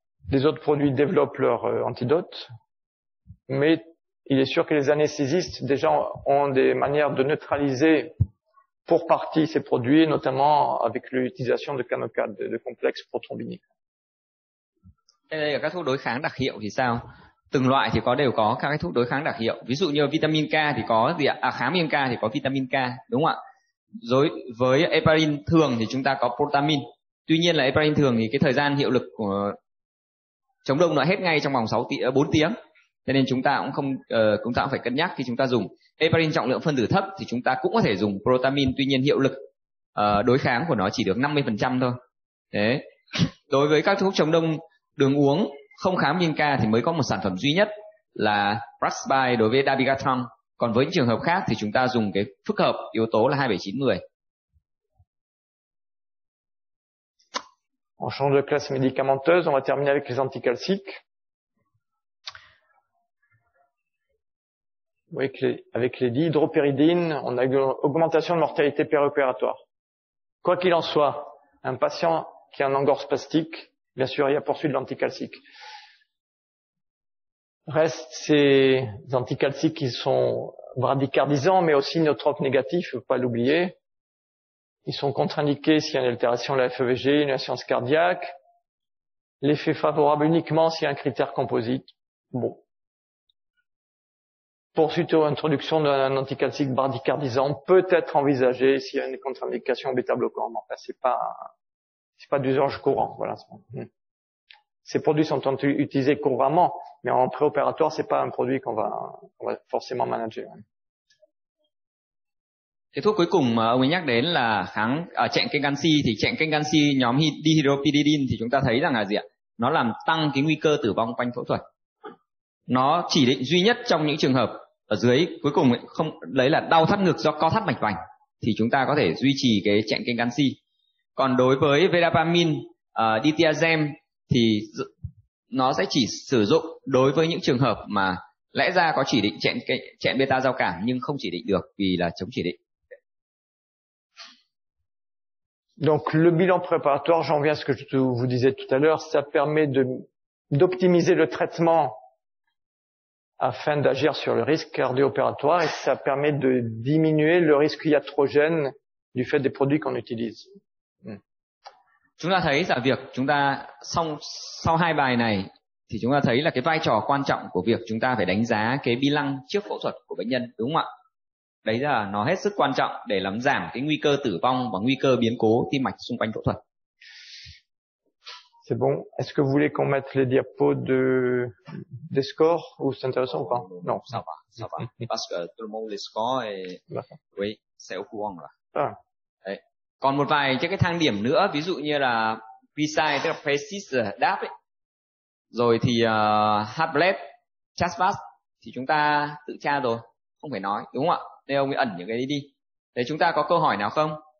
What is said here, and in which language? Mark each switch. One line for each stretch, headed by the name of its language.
French: Les autres produits développent leur antidote, mais il est sûr que les anesthésistes déjà ont des manières de neutraliser pour partie ces produits, notamment avec l'utilisation de canocade, de complexe prothrombinique.
Vietnamese: Et các thuốc đối kháng đặc hiệu thì sao? Từng loại thì đều có các cái thuốc đối kháng đặc hiệu. Ví dụ như vitamin K thì có gì ạ? Kháng minca thì có vitamin K, đúng không ạ? Rồi với heparin thường thì chúng ta có protamin. Tuy nhiên là heparin thường thì cái thời gian hiệu lực của chống đông nó hết ngay trong vòng 4 tiếng. Thế nên chúng ta cũng phải cân nhắc khi chúng ta dùng heparin trọng lượng phân tử thấp thì chúng ta cũng có thể dùng protamin. Tuy nhiên hiệu lực đối kháng của nó chỉ được 50% thôi. Thế. Đối với các thuốc chống đông đường uống không khám viêm ca thì mới có một sản phẩm duy nhất là Praspy đối với Dabigatran. Còn với những trường hợp khác thì chúng ta dùng cái phức hợp yếu tố là 2790.
French: On change de classe médicamenteuse, on va terminer avec les anticalciques. Oui, avec les dihydropyridines, on a une augmentation de mortalité péropératoire. Quoi qu'il en soit, un patient qui a un angor spastique, bien sûr, il y a poursuite de l'anticalcique. Reste ces anticalciques qui sont bradycardisants, mais aussi inotropes négatifs, il ne faut pas l'oublier. Ils sont contre-indiqués s'il y a une altération de la FEVG, une insuffisance cardiaque. L'effet favorable uniquement s'il y a un critère composite. Bon. Poursuite ou introduction d'un anticalcique bradycardisant peut être envisagé s'il y a une contre-indication bêta-bloquant. Bon, ben, c'est pas d'usage courant. Voilà. Ces produits sont utilisés couramment, mais en préopératoire, c'est pas un produit qu'on va forcément manager.
Vietnamese: Cái thuốc cuối cùng mà ông ấy nhắc đến là kháng chẹn kênh canxi, thì chẹn kênh canxi nhóm dihydropyridine thì chúng ta thấy rằng là gì ạ? Nó làm tăng cái nguy cơ tử vong quanh phẫu thuật. Nó chỉ định duy nhất trong những trường hợp ở dưới cuối cùng ấy, không đấy là đau thắt ngực do co thắt mạch vành thì chúng ta có thể duy trì cái chẹn kênh canxi. Còn đối với verapamil, diazem thì nó sẽ chỉ sử dụng đối với những trường hợp mà lẽ ra có chỉ định chẹn beta giao cảm nhưng không chỉ định được vì là chống chỉ định.
French: Donc le bilan préparatoire, j'en viens à ce que je vous disais tout à l'heure, ça permet d'optimiser le traitement afin d'agir sur le risque cardio-opératoire et ça permet de diminuer le risque iatrogène du fait des produits qu'on utilise.
Vietnamese: Chúng ta thấy là việc chúng ta sau hai bài này thì chúng ta thấy là cái vai trò quan trọng của việc chúng ta phải đánh giá cái bi lăng trước phẫu thuật của bệnh nhân, đúng không ạ? Đấy là nó hết sức quan trọng để làm giảm cái nguy cơ tử vong và nguy cơ biến cố tim mạch xung quanh phẫu thuật.
French: C'est bon. Est-ce que vous voulez qu'on mette les diapos des scores ou c'est intéressant ou pas? Non, ça va, ça va. Parce que tout le monde les scores et oui, c'est au courant là. Ah.
Vietnamese: Đấy. Còn một vài cái thang điểm nữa, ví dụ như là PSI, tức là Precis Đáp ấy. Rồi thì Heartbleed, Chasvas thì chúng ta tự tra rồi, không phải nói, đúng không ạ? Nên ông ấy ẩn những cái đấy đi. Đấy, chúng ta có câu hỏi nào không?